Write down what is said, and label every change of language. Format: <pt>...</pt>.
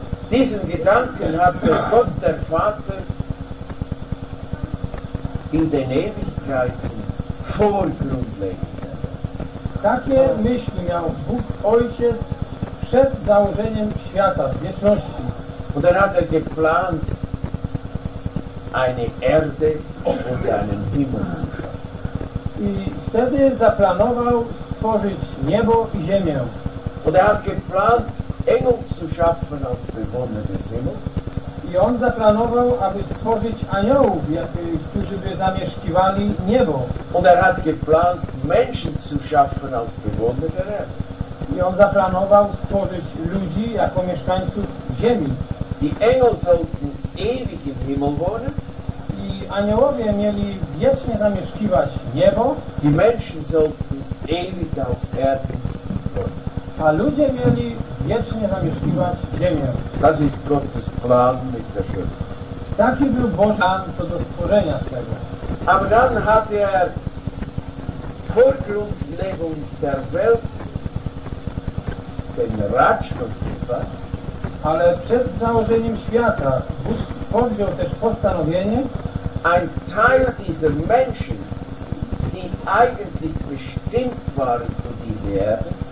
<de>Diesen Gedanken hat Gott der Vater in den Ewigkeiten vorgrundlegt.</de> <pl>Takie myśli miał Bóg Ojciec przed założeniem świata, wieczności.</pl> <de>Und er hat geplant eine Erde und einen Himmel.</de> <pl>I wtedy zaplanował stworzyć niebo i ziemię.</pl> <de>Und er hat geplant Engel zu schaffen aus Bewohnern des Himmels.</de> <pl>I on zaplanował, aby stworzyć aniołów, którzy by zamieszkiwali niebo.</pl> <de>Und er hat geplant Menschen zu schaffen aus Bewohnern der Erde.</de> <pl>I on zaplanował stworzyć ludzi jako mieszkańców ziemi.</pl> <de>Die Engel sollten ewig im Himmel wohnen.</de> <pl>I aniołowie mieli wiecznie zamieszkiwać niebo.</pl> <de>Die Menschen sollten ewig auf Erden wohnen.</de> <pl>A ludzie mieli wiecznie zamieszkiwać ziemię.</pl> <de>Das ist Gottes Plan mit der Schöpfung.</de> <pl>Taki był Boży plan co do stworzenia swego.</pl> <de>Aber dann hat Vorgrundlegung der Welt ten Ratschluss gefasst.</de> <pl>Ale przed założeniem świata Bóg podjął też postanowienie.</pl> <de>Ein Teil dieser Menschen, die eigentlich bestimmt waren für diese Erde,</de>